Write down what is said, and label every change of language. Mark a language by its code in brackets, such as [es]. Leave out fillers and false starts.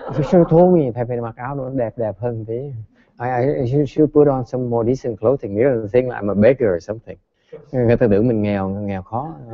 [en] She told me [vi] phải mặc áo nó đẹp hơn tí. [en] I should put on some more decent clothing. You don't think like I'm a beggar or something. [vi] Người ta tưởng mình nghèo khó.